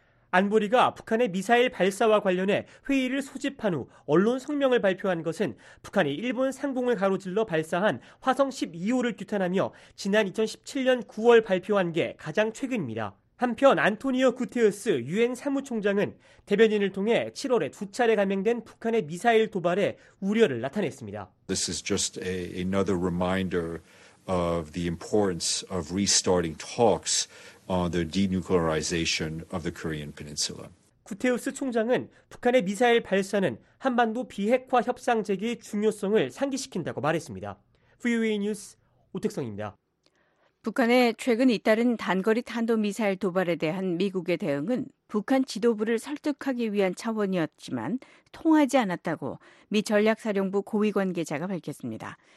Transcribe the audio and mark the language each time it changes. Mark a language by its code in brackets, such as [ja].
[ko] 안보리가 북한의 미사일 발사와 관련해 회의를 소집한 후 언론 성명을 발표한 것은 북한이 일본 상공을 가로질러 발사한 화성 12호를 규탄하며 지난 2017년 9월 발표한 게 가장 최근입니다. 한편 안토니오 구테흐스 유엔 사무총장은 대변인을 통해 7월에 두 차례 감행된 북한의 미사일 도발에 우려를 나타냈습니다. [en] This is just another reminder of the importance of restarting talks on the denuclearization of the Korean Peninsula. [ko] 구테흐스 총장은 북한의 미사일 발사는 한반도 비핵화 협상 재개의 중요성을 상기시킨다고 말했습니다. VOA 뉴스 오택성입니다. 북한의 최근 잇따른 단거리 탄도미사일 도발에 대한 미국의 대응은 북한 지도부를 설득하기 위한 차원이었지만 통하지 않았다고 미 전략사령부 고위 관계자가 밝혔습니다.